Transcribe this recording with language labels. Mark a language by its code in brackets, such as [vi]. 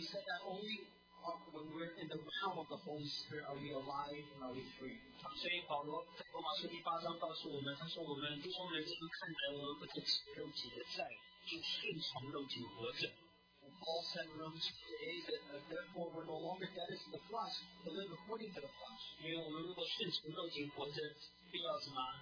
[en] We said that only when we're in the realm of the Holy Spirit are we alive and are we free. [zh] 所以保罗在罗马书第八章告诉我们，他说我们弟兄们，这样看来，我们不再是肉体的债，就顺从肉体活着。 [en] Paul said in Romans 8 that therefore we're no longer dead as in the flesh, but live according to the flesh. [zh] 因为我们如果顺从肉体活着，必要什么？